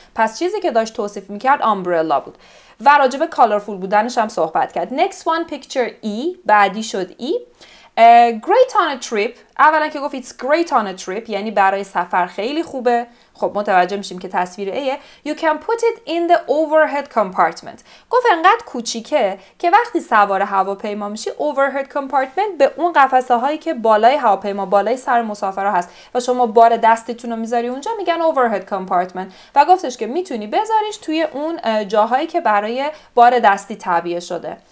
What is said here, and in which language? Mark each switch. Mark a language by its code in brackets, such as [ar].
[fa] پس چیزی که داشت توصیف میکرد umbrella بود. و راجب colorful بودنش هم صحبت کرد. [en] Next one, picture E. [fa] بعدی شد E. [en] Great on a trip. [fa] اولا که گفت [en] it's great on a trip، [fa] یعنی برای سفر خیلی خوبه. خب متوجه میشیم که تصویر A. [en] You can put it in the overhead compartment. [fa] گفت انقدر کوچیکه که وقتی سوار هواپیما میشی overhead compartment به اون قفسه هایی که بالای هواپیما بالای سر مسافرها هست و شما بار دستتون رو میذاری اونجا میگن overhead compartment و گفتش که میتونی بذاریش توی اون جاهایی که برای بار دستی تعبیه شده.